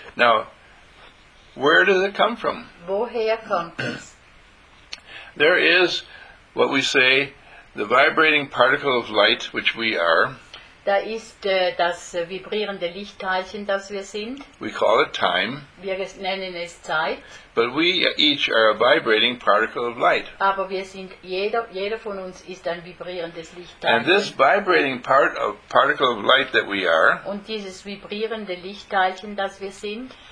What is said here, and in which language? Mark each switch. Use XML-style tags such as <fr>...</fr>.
<en>Now, where does it come from?</en> <de>Woher kommt es?</de> <en>There is what we say, the vibrating particle of light, which we are.</en> <de>Da ist das vibrierende Lichtteilchen, das wir sind.</de> <en>We call it time.</en> <de>Wir nennen es Zeit.</de> <en>But we each are a vibrating particle of light.</en> <de>Aber wir sind jeder von uns ist ein vibrierendes Lichtteilchen.</de> <en>And this vibrating particle of light that we are.</en> <de>Und dieses vibrierende Lichtteilchen, das wir sind.</de>